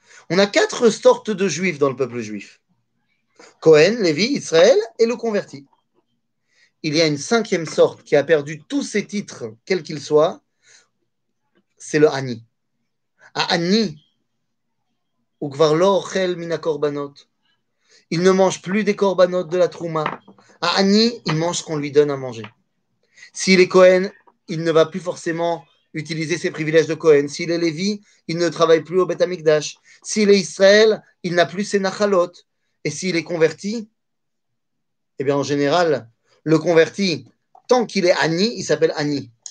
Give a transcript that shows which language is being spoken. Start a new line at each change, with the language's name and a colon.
French: On a quatre sortes de juifs dans le peuple juif. Cohen, Lévi, Israël et le converti. Il y a une cinquième sorte qui a perdu tous ses titres, quels qu'ils soient, c'est le Hani. Hani,
Hebrew: וכבר לא אוכל מן הקורבנות.
French: Il ne mange plus des corbanotes de la Trouma. À Ani, il mange ce qu'on lui donne à manger. S'il est Cohen, il ne va plus forcément utiliser ses privilèges de Cohen. S'il est Lévi, il ne travaille plus au Beth Amikdash. S'il est Israël, il n'a plus ses Nachalot. Et s'il est converti, eh bien en général, le converti, tant qu'il est Ani, il s'appelle Ani.